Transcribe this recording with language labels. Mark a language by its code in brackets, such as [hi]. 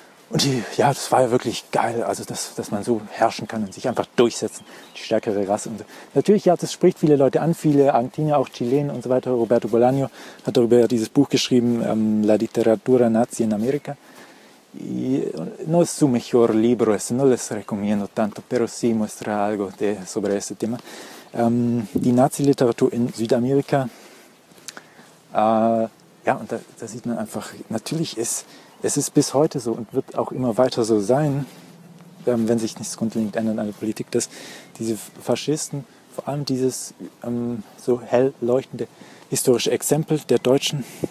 [de] Und die, ja, das war ja wirklich geil, also dass man so herrschen kann und sich einfach durchsetzen, die stärkere Rasse. Und natürlich, ja, das spricht viele Leute an, viele Argentinier, auch Chilen und so weiter. Roberto Bolaño hat darüber ja dieses Buch geschrieben, La Literatura Nazi in America. [es] No es su mejor libro, no les recomiendo tanto, pero sí muestra algo de sobre este tema. [de] Die Nazi-Literatur in Südamerika, ja, und da sieht man einfach, natürlich ist... Es ist bis heute so und wird auch immer weiter so sein, wenn sich nichts grundlegend ändert an der Politik, dass diese Faschisten, vor allem dieses so hell leuchtende historische Exempel der Deutschen